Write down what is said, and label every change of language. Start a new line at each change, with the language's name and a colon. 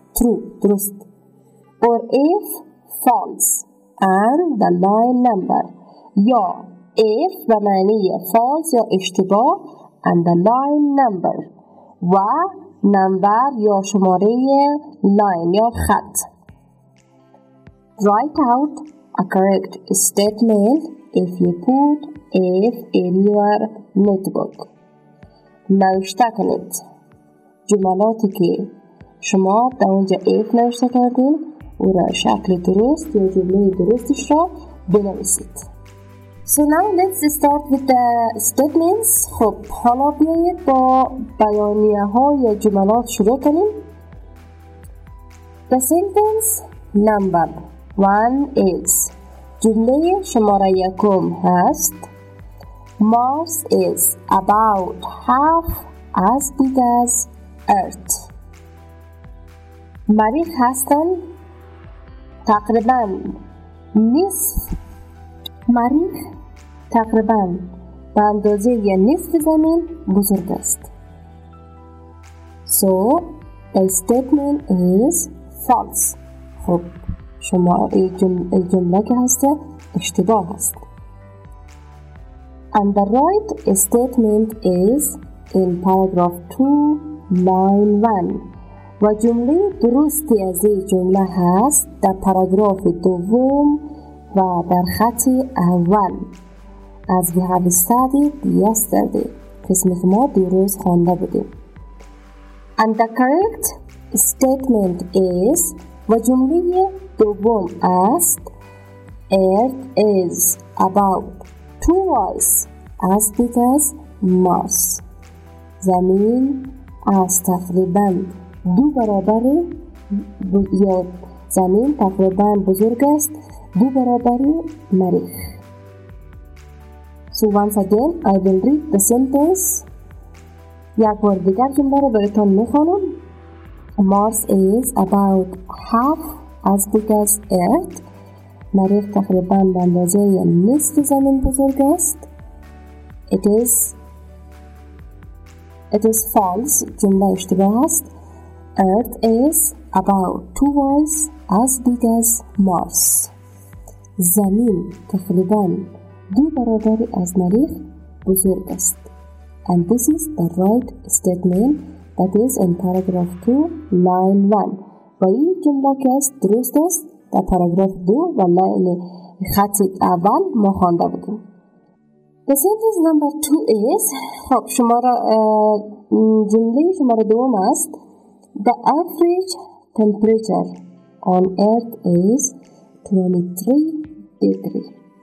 English: True, درست. Or if false. And the line number.
Persian: یا if به معنی false یا اشتباه.
English: And the line number.
Persian: و نمبر یا شماره line یا خط.
English: Write out a correct statement if you put if in your notebook.
Persian: نوشته کنید جملاتی که شما در اونجا ایف نوشته کردین او را شکل درست یا جمله درستش را بنویسید.
English: So now let's start with the statements.
Persian: خب حالا بیایید با بیانیه ها یا جملات شروع کنیم.
English: The sentence number one is,
Persian: جمله شماره یکم هست,
English: Mars is about half as big as Earth.
Persian: مریخ هستن تقریبا نصف, مریخ تقریبا به اندازه یه نصف زمین بزرگ است.
English: So the statement is false.
Persian: خب شما جمله که هست اشتباه است.
English: And the right statement is in paragraph 2, line 1.
Persian: و جمله درستی از این جمله هست در پاراگراف دوم و در خط اول.
English: As we have studied yesterday.
Persian: قسمی که ما دیروز خوانده بودیم.
English: And the correct statement is,
Persian: و جمله دوم است,
English: Earth is about twice as big as Mars.
Persian: زمین از تقریبا دو برابر یا زمین تقریبا بزرگ است دو برابر مریخ.
English: So once again I will read the sentence.
Persian: یک بار دیگر جمله را براتون میخوانم.
English: Mars is about half as big as Earth.
Persian: مریخ تقریبا به اندازه نصف زمین بزرگ است.
English: It is false,
Persian: جمله اشتباه است.
English: Earth is about twice as big as Mars.
Persian: زمین تقریبا دو برابر از مریخ بزرگ است.
English: And this is the right statement that is in paragraph 2, line 1.
Persian: و این جمله که است درست است در paragraph 2 و لاین خط اول ما خوانده بودیم.
English: The sentence number 2 is,
Persian: خب شماره جمله شماره 2 است.
English: The average temperature on Earth is 23 degrees.